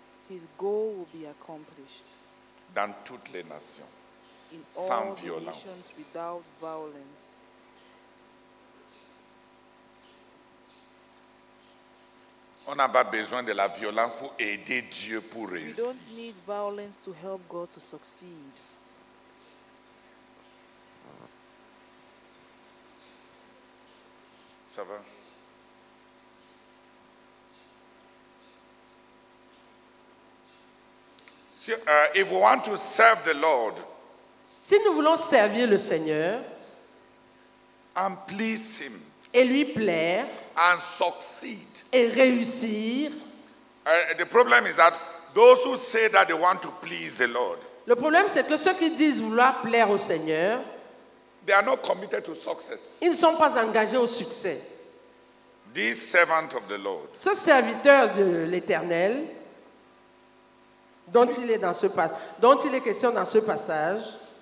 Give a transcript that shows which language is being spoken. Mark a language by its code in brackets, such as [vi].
[en] His goal will be accomplished. [fr] Dans toutes les nations. [en] In sans all violence. The nations without violence. [fr] On n'a pas besoin de la violence pour aider Dieu pour réussir. [en] We don't need violence to help God to succeed. [fr] Ça va? [en] If we want to serve the Lord, [fr] si nous voulons servir le Seigneur [en] and please him, [fr] et lui plaire [en] and succeed, [fr] et réussir, [en] the problem is that those who say that they want to please the Lord, [fr] le problème c'est que ceux qui disent vouloir plaire au Seigneur, [en] they are not committed to success. [fr] Ils ne sont pas engagés au succès. [en] This servant of the Lord. [fr] Ce serviteur de l'Éternel, dont il est question dans ce passage.